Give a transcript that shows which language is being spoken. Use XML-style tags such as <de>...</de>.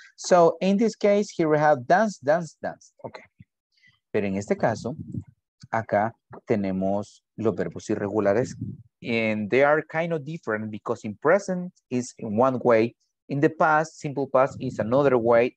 <en>So, in this case, here we have dance. Ok.</en> <es>Pero en este caso, acá tenemos los verbos irregulares.</es> <en>And they are kind of different because in present is in one way. In the past, simple past is another way.</en>